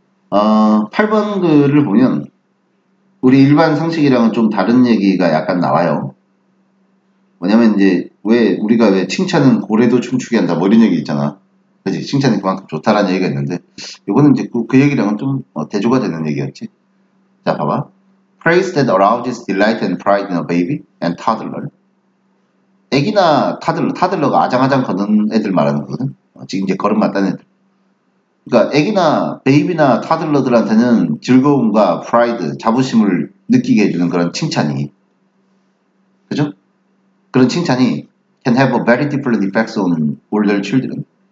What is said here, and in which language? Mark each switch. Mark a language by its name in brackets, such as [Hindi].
[Korean] 8번 글을 보면, 우리 일반 상식이랑은 좀 다른 얘기가 약간 나와요. 뭐냐면, 이제, 왜, 우리가 왜 칭찬은 고래도 춤추게 한다, 뭐 이런 얘기 있잖아. 그치? 칭찬이 그만큼 좋다라는 얘기가 있는데, 요거는 이제 그 얘기랑은 좀 대조가 되는 얘기였지. 자, 봐봐. [English] Praise that arouses delight and pride in a baby and toddler. [Korean] 애기나 타들러가 아장아장 거는 애들 말하는 거거든. 지금 이제 걸음마 딴 애들. 그러니까 애기나 베이비나 타들러들한테는 즐거움과 프라이드, 자부심을 느끼게 해주는 그런 칭찬이, 그죠? 그런 칭찬이 [English] can have a very different effects on older children.